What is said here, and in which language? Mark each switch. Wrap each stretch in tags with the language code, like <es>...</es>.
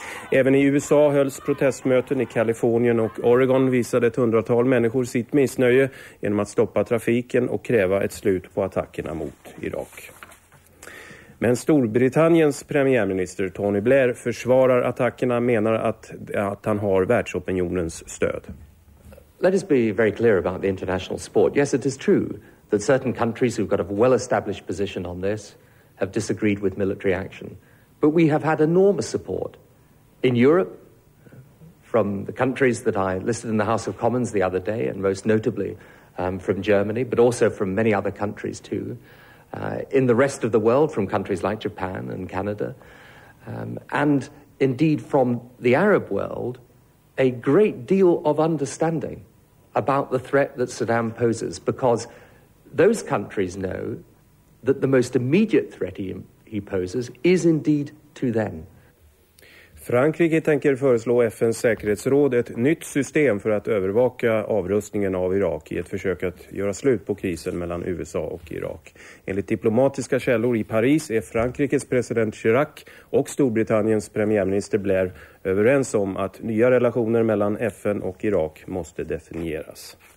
<sv>Även i USA hölls protestmöten i Kalifornien och Oregon, visade ett 100-tal människor sitt missnöje genom att stoppa trafiken och kräva ett slut på attackerna mot Irak. Men Storbritanniens premiärminister Tony Blair försvarar attackerna, menar att han har världsopinionens stöd.</sv> <en>Let us be very clear about the international sport. Yes, it is true that certain countries who've got a well-established position on this have disagreed with military action. But we have had enormous support in Europe from the countries that I listed in the House of Commons the other day, and most notably from Germany, but also from many other countries too. In the rest of the world, from countries like Japan and Canada, and indeed from the Arab world, a great deal of understanding about the threat that Saddam poses, because those countries know that the most immediate threat he poses is indeed to them.</en> <sv>Frankrike tänker föreslå FNs säkerhetsråd ett nytt system för att övervaka avrustningen av Irak i ett försök att göra slut på krisen mellan USA och Irak. Enligt diplomatiska källor i Paris är Frankrikes president Chirac och Storbritanniens premiärminister Blair överens om att nya relationer mellan FN och Irak måste definieras.</sv>